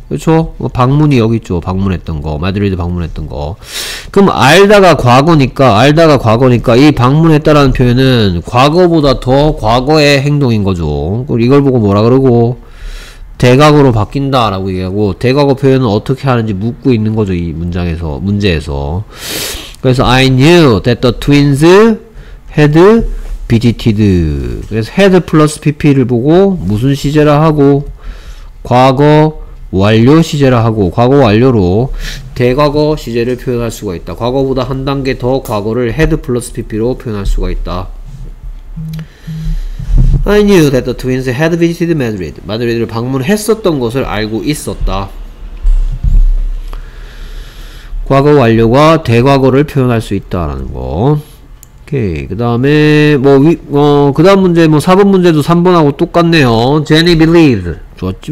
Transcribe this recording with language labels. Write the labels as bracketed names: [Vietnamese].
[Korean] 그렇죠? 방문이 여기 있죠. 방문했던 거. 마드리드 방문했던 거. 그럼 알다가 과거니까 이 방문했다라는 표현은 과거보다 더 과거의 행동인 거죠. 그럼 이걸 보고 뭐라 그러고 대각으로 바뀐다라고 얘기하고 대각어 표현은 어떻게 하는지 묻고 있는 거죠. 이 문장에서 문제에서. 그래서 [English] I knew that the twins had visited. [Korean] 그래서 had 플러스 pp를 보고 무슨 시제라 하고 과거 완료 시제라 하고 과거 완료로 대과거 시제를 표현할 수가 있다. 과거보다 한 단계 더 과거를 had 플러스 pp로 표현할 수가 있다. [English] I knew that the twins had visited Madrid. [Korean] 마드리드를 방문했었던 것을 알고 있었다. 과거 완료가 대과거를 표현할 수 있다라는 거. 오케이. 그 다음에 그 다음 문제 뭐 4번 문제도 3번하고 똑같네요. [English] Jenny believes. [Korean] 좋았지.